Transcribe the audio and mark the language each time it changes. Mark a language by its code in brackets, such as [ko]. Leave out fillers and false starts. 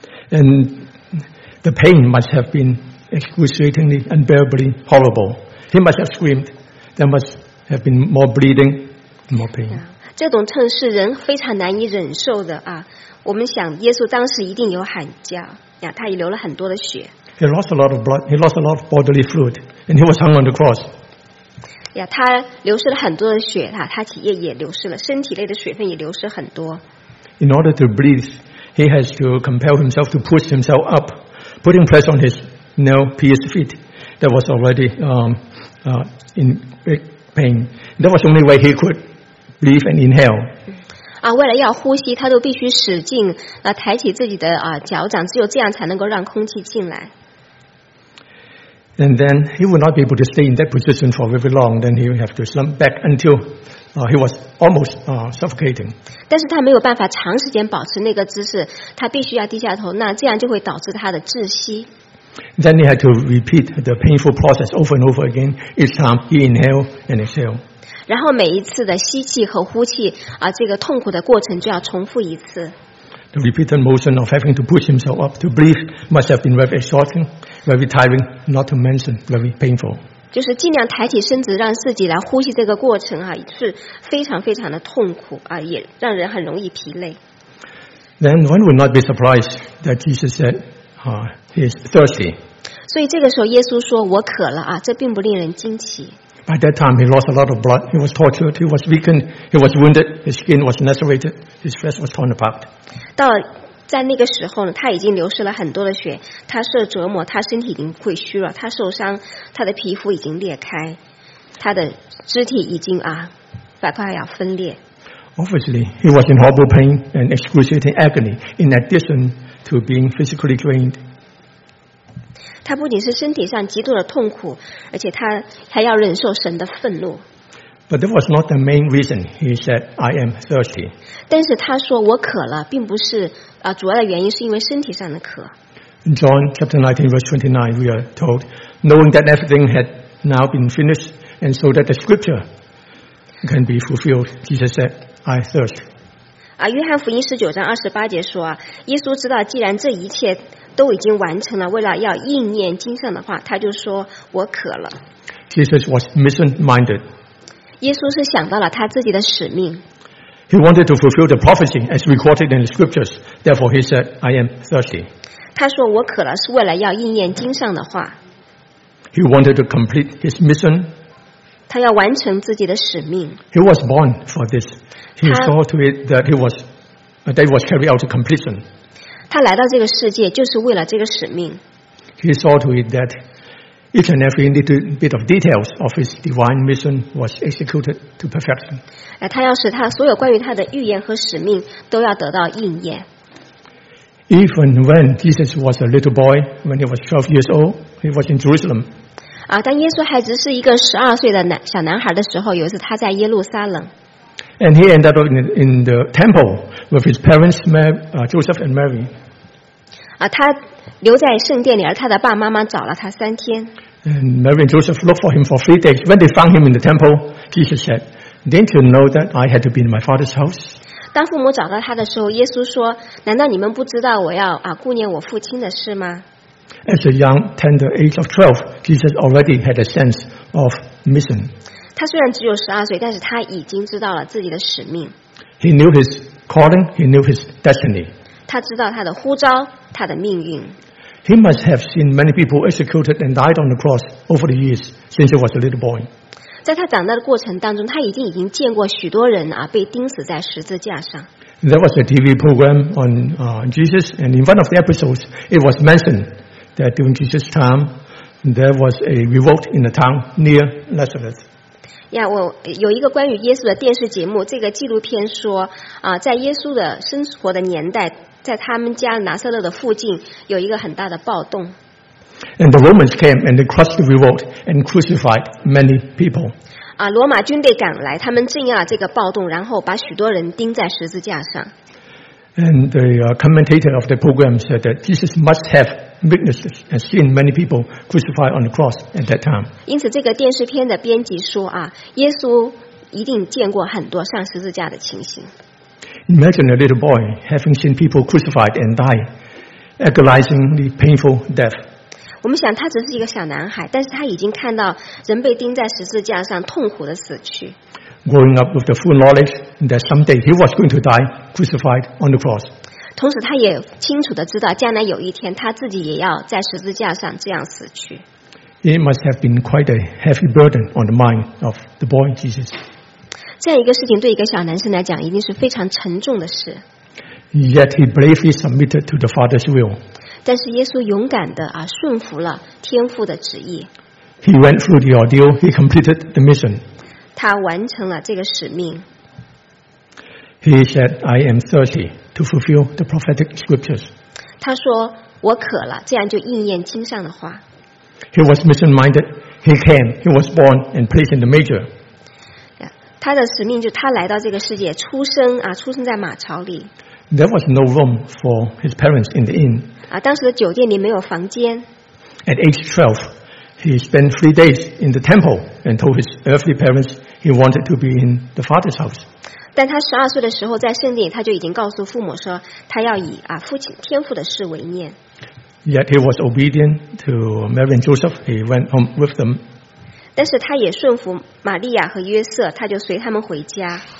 [en] And the pain must have been excruciatingly unbearably horrible. He must have screamed. There must have been more bleeding, more pain. [zh] 这种痛是人非常难以忍受的啊。我们想耶稣当时一定有喊叫呀，他也流了很多的血。 [en] He lost a lot of blood. He lost a lot of bodily fluid, and he was hung on the cross. [zh] 呀，他流失了很多的血哈，他体液也流失了，身体内的水分也流失很多。 [en] In order to breathe, he has to compel himself to push himself up, putting pressure on his nail-pierced feet that was already in great pain. That was the only way he could breathe and inhale. [zh] 为了要呼吸，他都必须使劲抬起自己的脚掌，只有这样才能够让空气进来。 [en] And then he would not be able to stay in that position for very long. Then he would have to slump back until he was almost suffocating. [zh] 但是他没有办法长时间保持那个姿势，他必须要低下头，那这样就会导致他的窒息。 [en] Then he had to repeat the painful process over and over again. Each time he inhaled and exhaled. [zh] 然后每一次的吸气和呼气这个痛苦的过程就要重复一次。 [en] The repeated motion of having to push himself up to breathe must have been very exhausting, very tiring, not to mention very painful. [zh] 就是尽量抬起身子让自己来呼吸这个过程是非常非常的痛苦也让人很容易疲累。 [en] Then one would not be surprised that Jesus said, he is thirsty. [zh] 所以这个时候耶稣说我渴了这并不令人惊奇。 [en] By that time, he lost a lot of blood. He was tortured. He was weakened. He was wounded. His skin was lacerated. His flesh was torn apart. [zh] 到在那个时候呢，他已经流失了很多的血。他受折磨，他身体已经会虚弱，他受伤，他的皮肤已经裂开，他的肢体已经快快要分裂。 [en] Obviously, he was in horrible pain and excruciating agony. In addition to being physically drained. [zh] 他不仅是身体上极度的痛苦，而且他还要忍受神的愤怒。 [en] But that was not the main reason. He said, "I am thirsty." [zh] 但是他说我渴了，并不是主要的原因，是因为身体上的渴。 [en] In John chapter 19, verse 29, we are told, knowing that everything had now been finished, and so that the scripture can be fulfilled, Jesus said, "I thirst." [zh] 约翰福音十九章二十八节说耶稣知道既然这一切。都已经完成了，为了要应验经上的话，他就说我渴了。 [en] Jesus was mission-minded. [zh] 耶稣是想到了他自己的使命。 [en] He wanted to fulfill the prophecy as recorded in the scriptures. Therefore, he said, "I am thirsty." [zh] 他说我渴了，是为了要应验经上的话。 [en] He wanted to complete his mission. [zh] 他要完成自己的使命。 [en] He was born for this. He saw to it that he was carried out to completion. [zh] 他来到这个世界就是为了这个使命。 [en] He saw to it that each and every little bit of details of his divine mission was executed to perfection. [zh] 他要使他所有关于他的预言和使命都要得到应验。 [en] Even when Jesus was a little boy, when he was 12 years old, he was in Jerusalem. [zh] 当耶稣还只是一个十二岁的小男孩的时候，有一次他在耶路撒冷。 [en] And he ended up in the temple with his parents, Joseph and Mary. [zh] 他留在圣殿里，而他的爸妈妈找了他三天。 [en] And Mary and Joseph looked for him for 3 days. When they found him in the temple, Jesus said, "Didn't you know that I had to be in my father's house?" [zh] 当父母找到他的时候，耶稣说：难道你们不知道我要顾念我父亲的事吗？ [en] At a young, tender age of 12, Jesus already had a sense of mission. [zh] 他虽然只有12岁，但是他已经知道了自己的使命。 [en] He knew his calling, he knew his destiny. [zh] 他知道他的呼召，他的命运。 [en] He must have seen many people executed and died on the cross over the years since he was a little boy. [zh] 在他长大的过程当中，他已经见过许多人被钉死在十字架上。 [en] There was a TV program on Jesus, and in one of the episodes, it was mentioned. That during Jesus' time, there was a revolt in the town near Nazareth. [zh] Yeah, 我有一个关于耶稣的电视节目。这个纪录片说，在耶稣的生活的年代，在他们家拿撒勒的附近有一个很大的暴动。 [en] And the Romans came and they crushed the revolt and crucified many people. [zh] 罗马军队赶来，他们镇压了这个暴动，然后把许多人钉在十字架上。 [en] And the commentator of the program said that Jesus must have. Witnesses and seen many people crucified on the cross at that time. [zh] 因此，这个电视片的编辑说耶稣一定见过很多上十字架的情形。 [en] Imagine a little boy having seen people crucified and die, agonizingly painful death. [zh] 我们想，他只是一个小男孩，但是他已经看到人被钉在十字架上，痛苦的死去。 [en] Growing up with the full knowledge that someday he was going to die, crucified on the cross. [zh] 同时他也清楚地知道将来有一天他自己也要在十字架上这样死去。 [en] It must have been quite a heavy burden on the mind of the boy Jesus. [zh] 这样一个事情对一个小男生来讲一定是非常沉重的事。 [en] Yet he bravely submitted to the Father's will. [zh] 但是耶稣勇敢地顺服了天父的旨意。 [en] He went through the ordeal, he completed the mission. [zh] 他完成了这个使命。 [en] He said, I am thirsty to fulfill the prophetic scriptures. [zh] 他说我渴了，这样就应验经上的话。 [en] He was mission-minded. He came. He was born and placed in the manger. [zh] 他的使命就他来到这个世界，出生出生在马槽里。 [en] There was no room for his parents in the inn. [zh] 当时的酒店里没有房间。 [en] At age 12, he spent 3 days in the temple and told his earthly parents he wanted to be in the Father's house. [zh] 但他十二岁的时候，在圣殿他就已经告诉父母说，他要以父亲天父的事为念。 [en] Yet he was obedient to Mary and Joseph. He went home with them. [zh] 但是他也顺服玛利亚和约瑟，他就随他们回家。